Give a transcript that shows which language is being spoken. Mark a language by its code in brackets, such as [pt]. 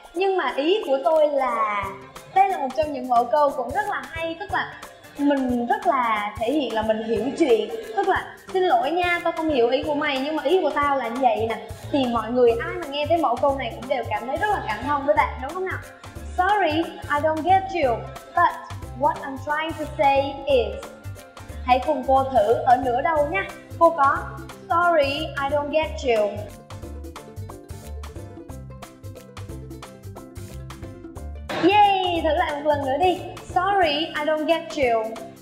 [vi] Nhưng mà ý của tôi là, đây là một trong những mẫu câu cũng rất là hay, tức là mình rất là thể hiện là mình hiểu chuyện, tức là xin lỗi nha, tao không hiểu ý của mày, nhưng mà ý của tao là như vậy nè. Thì mọi người ai mà nghe thấy mẫu câu này cũng đều cảm thấy rất là cảm thông với bạn, đúng không nào? [en] Sorry, I don't get you, but what I'm trying to say is. [vi] Hãy cùng cô thử ở nửa đầu nha. Cô có [en] sorry, I don't get you. [vi] Yay, thử lại một lần nữa đi. [en] Sorry, I don't get you.